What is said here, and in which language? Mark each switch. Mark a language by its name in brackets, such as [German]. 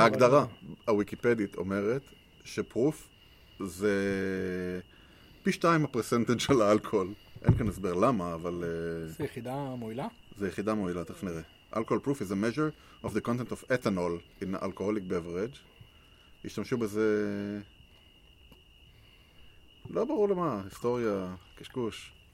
[Hebrew] ההגדרה הוויקיפדית אומרת שפרוף זה פי שתיים הפרסנטג' של האלכוהול. אין כאן הסבר למה, אבל... זה יחידה מועילה? זה יחידה מועילה, תכף נראה. [English] Alcohol proof is a measure of the content of ethanol in an alcoholic beverage. [Hebrew] השתמשו בזה... לא ברור למה, היסטוריה, קשקוש.